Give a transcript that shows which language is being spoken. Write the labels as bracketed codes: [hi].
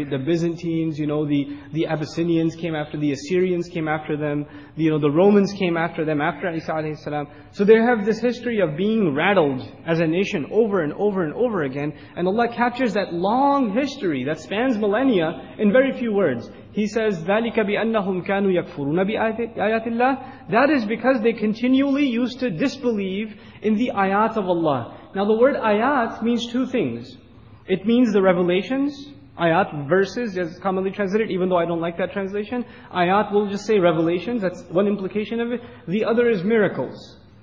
[en] The Byzantines, you know, the Abyssinians came after, the Assyrians came after them, you know, the Romans came after them, after Isa alayhi salam. So they have this history of being rattled as a nation over and over and over again. And Allah captures that long history that spans millennia in very few words. [ar] He says, ذَلِكَ بِأَنَّهُمْ كَانُوا يَكْفُرُونَ بِآيَاتِ اللَّهِ. [en] That is because they continually used to disbelieve in the ayat of Allah. Now the word ayat means two things. It means the revelations, ayat, verses, as commonly translated, even though I don't like that translation. Ayat, we'll just say revelations, that's one implication of it. The other is miracles.